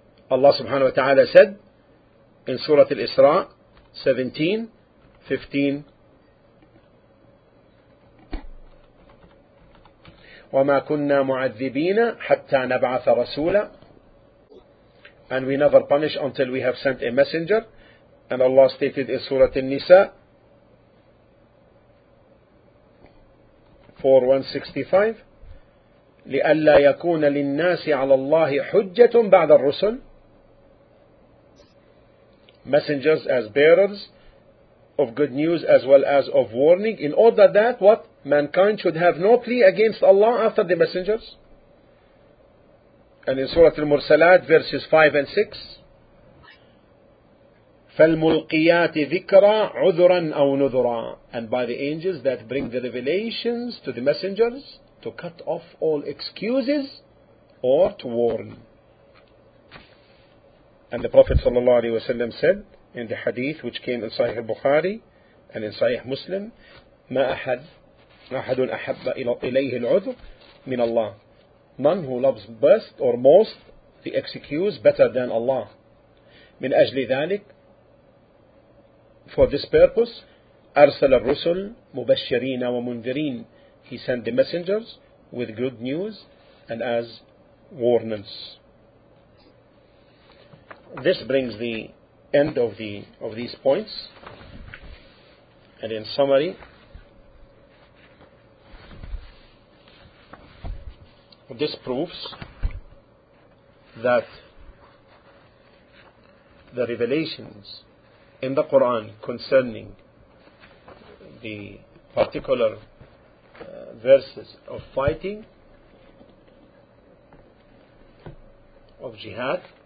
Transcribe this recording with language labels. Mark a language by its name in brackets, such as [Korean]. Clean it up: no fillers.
[English] Allah subhanahu wa ta'ala said in Surah Al-Isra 17:15, [Arabic] وَمَا كُنَّا مُعَذِّبِينَ حَتَّى نَبْعَثَ رَسُولًا. [English] And we never punish until we have sent a messenger. And Allah stated in Surah An-Nisa 4:165, [Arabic] لِأَلَّا يَكُونَ لِلنَّاسِ عَلَى اللَّهِ حُجَّةٌ بَعْدَ الرُّسُلِ. [English] Messengers as bearers of good news as well as of warning, in order that what? Mankind should have no plea against Allah after the messengers. And in Surah Al-Mursalat, verses 5 and 6, [Arabic] فَالْمُلْقِيَاتِ ذِكْرًا عُذُرًا أَوْ نُذُرًا. [English] And by the angels that bring the revelations to the messengers to cut off all excuses or to warn. And the Prophet ﷺ said in the hadith which came in Sahih Bukhari and in Sahih Muslim, [Arabic] مَا أَحَدٌ أَحَبَّ إِلَيْهِ الْعُذُرُ مِنَ اللَّهِ. [English] None who loves best or most the excuse better than Allah. [Arabic] مِنْ أَجْلِ ذَلِكَ. [English] For this purpose, [Arabic] أَرْسَلَ الرُّسُلُ مُبَشِّرِينَ وَمُنذِرِينَ. [English] He sent the messengers with good news and as warnings. This brings the end of these points. And in summary, this proves that the revelations in the Quran concerning the particular verses of fighting, of jihad,